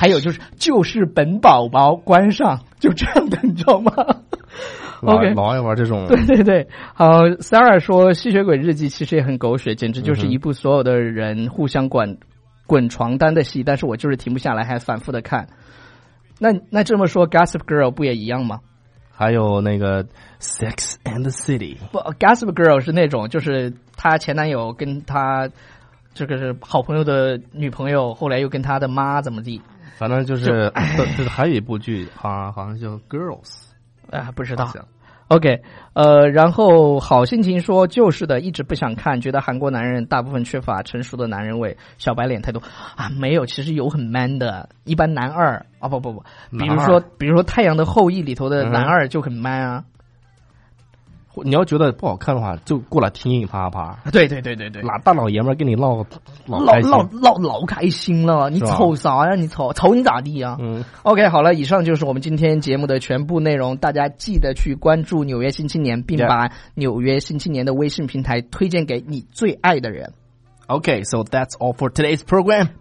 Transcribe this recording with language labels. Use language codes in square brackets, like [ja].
[zh] 还有就是本宝宝关上，就这样的，你知道吗？老、 okay、老爱玩这种。对对对，好，三二说吸血鬼日记其实也很狗血，简直就是一部所有的人互相滚床单的戏，但是我就是停不下来，还反复的看。那这么说 Gossip Girl 不也一样吗？还有那个 Sex and the City，不， Gossip Girl 是那种就是他前男友跟他这个是好朋友的女朋友，后来又跟他的妈怎么地，反正就是就还有一部剧好像叫 Girls、不知道。 OK， 然后好心情说就是的，一直不想看，觉得韩国男人大部分缺乏成熟的男人味，小白脸太多啊。没有，其实有很 man 的，一般男二啊、哦、不，比如说《太阳的后裔》里头的男二就很 man 啊、嗯。你要觉得不好看的话，就过来听一啪啪。对对对对对，大老爷们儿跟你唠，老开心了。你瞅啥呀？你瞅瞅你咋地啊？嗯。 OK， 好了，以上就是我们今天节目的全部内容。大家记得去关注《纽约新青年》，并把《纽约新青年》的微信平台推荐给你最爱的人。 [en] OK， so that's all for today's program.